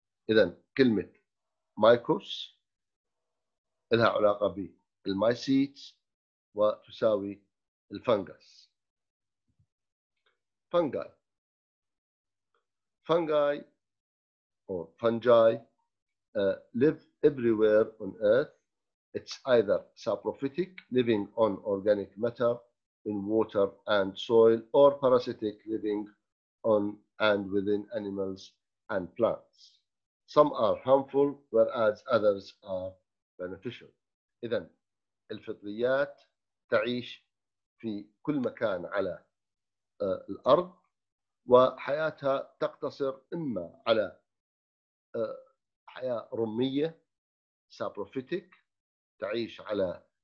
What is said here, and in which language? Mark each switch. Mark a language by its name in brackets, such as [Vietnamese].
[Arabic] إذا كلمة مايكوس لها علاقة بالمايسيتس وتساوي الفانجس. [English] Fungi, fungi أو fungi live everywhere on earth. It's either saprophytic, living on organic matter in water and soil, or parasitic, living on and within animals and plants. Some are harmful, whereas others are beneficial. [Arabic] إذا الفطريات تعيش في كل مكان على الأرض، وحياتها تقتصر إما على حياة رمية saprophytic، تعيش على